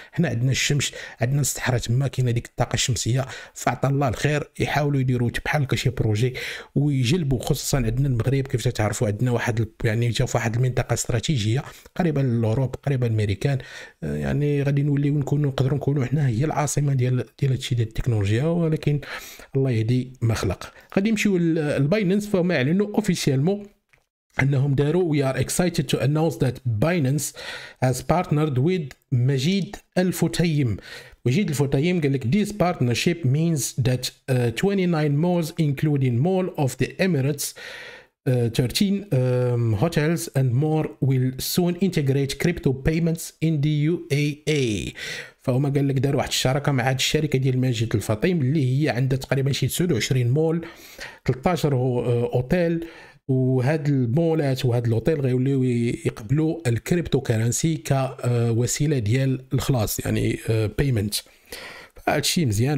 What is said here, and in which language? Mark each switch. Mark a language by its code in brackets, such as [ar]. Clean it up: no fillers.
[ar] حنا عندنا الشمس عندنا الصحراء تما كاينه ديك الطاقه الشمسيه فعطى الله الخير يحاولوا يديروا بحال هكا شي بروجي ويجلبوا خصوصا عندنا المغرب كيف تعرفوا عندنا واحد يعني شوف واحد المنطقه استراتيجيه قريبه لاوروب قريبه الامريكان يعني غادي نوليو نكونوا نقدروا نكونوا حنا هي العاصمه ديال هادشي ديال التكنولوجيا. ولكن الله يهدي ما خلق. غادي نمشيو للبايننس فهم اعلنوا اوفيسيالمون أنهم داروا [en] we are excited to announce that Binance has partnered with Majid Al-Futaim. Majid Al-Futaim [ar] قال لك [en] this partnership means that 29 malls including Mall of the Emirates 13 hotels and more will soon integrate crypto payments in the UAE. [ar] فهما قال لك داروا واحد الشراكه مع هذه الشركه ديال ماجد الفطيم اللي هي عندها تقريبا شي 29 مول 13 اوتيل وهاد المولات وهاد الاوتيل غيوليو يقبلوا الكريبتو كرنسي كوسيله ديال الخلاص يعني بيمنت. هادشي مزيان.